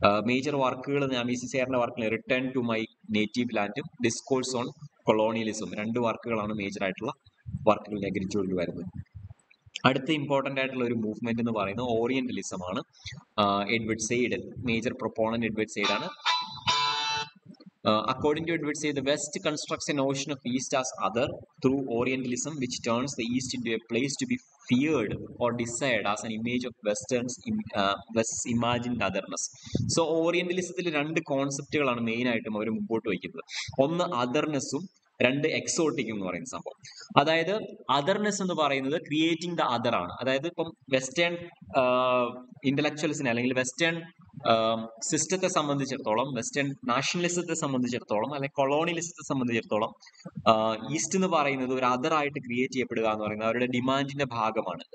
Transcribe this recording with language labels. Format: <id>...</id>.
<ml>Major വർക്കുകൾ നാമീസിസേറിന്റെ work, return to my native ലാൻഡും discourse on colonialism, രണ്ട് വർക്കുകളാണ് major ആയിട്ടുള്ള വർക്കുകൾ നെഗ്രിറ്റ്യൂഡിൽ വരുന്നത്. അടുത്ത ഇമ്പോർട്ടൻ്റ് ആയിട്ടുള്ള ഒരു മൂവ്മെന്റ് എന്ന് പറയുന്നത് ഓറിയന്റലിസം ആണ്. Edward said, major proponent Edward said ആണ്.</ml> <en>According to Edwards, the West constructs a notion of East as other through Orientalism, which turns the East into a place to be feared or desired as an image of Western's West's imagined otherness. So, Orientalism is two concepts that are main item. One is otherness,</en> <ml>രണ്ട് exotic എന്ന് പറയുന്ന സംഭവം. അതായത് അതർനെസ് എന്ന് പറയുന്നത്</ml> <en>creating the other</en> <ml>ആണ്. അതായത് ഇപ്പം വെസ്റ്റേൺ ഇന്റലക്ച്വൽസിനെ അല്ലെങ്കിൽ വെസ്റ്റേൺ സിസ്റ്റത്തെ സംബന്ധിച്ചിടത്തോളം, വെസ്റ്റേൺ നാഷണലിസത്തെ സംബന്ധിച്ചിടത്തോളം, അല്ലെങ്കിൽ കൊളോണിയലിസത്തെ സംബന്ധിച്ചിടത്തോളം, ഈസ്റ്റ് എന്ന് പറയുന്നത് ഒരു അതറായിട്ട് ക്രിയേറ്റ് ചെയ്യപ്പെടുക എന്ന് പറയുന്നത് അവരുടെ ഡിമാൻഡിന്റെ ഭാഗമാണ്.</ml>